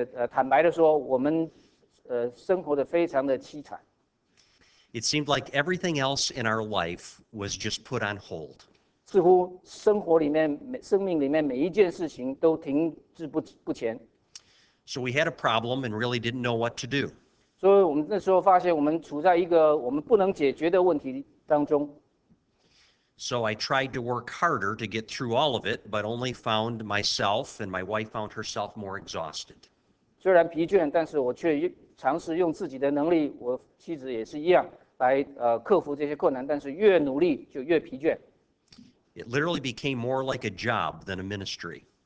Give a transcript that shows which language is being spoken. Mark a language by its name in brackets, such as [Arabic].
[Chinese] 坦白的说，我们生活的非常的凄惨。 [English] It seemed like everything else in our life was just put on hold. [Chinese] 似乎生活里面、生命里面每一件事情都停滞不前。 [English] So we had a problem and really didn't know what to do. [Chinese] 所以我们那时候发现，我们处在一个我们不能解决的问题当中。 [English] So I tried to work harder to get through all of it, but only found myself and my wife found herself more exhausted. [Chinese] 虽然疲倦，但是我却尝试用自己的能力，我妻子也是一样，来克服这些困难，但是越努力就越疲倦。 [English] It literally became more like a job than a ministry.